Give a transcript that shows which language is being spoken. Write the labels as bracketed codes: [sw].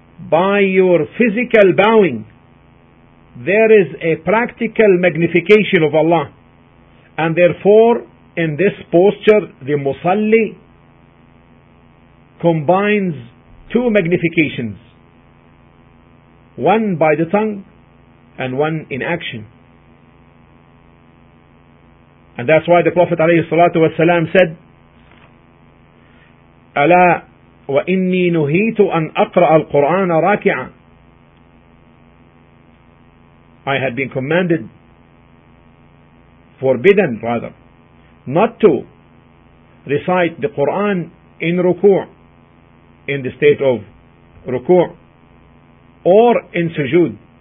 [en] By your physical bowing, there is a practical magnification of Allah. And therefore, in this posture, the musalli combines two magnifications, one by the tongue and one in action. And that's why the Prophet [ar] عليه الصلاة والسلام [en] said, [ar] ألا وإني نهيت أن أقرأ القرآن راكعا. [en] I had been commanded, forbidden rather, not to recite the Quran in ruku', in the state of ruku', or in sujood.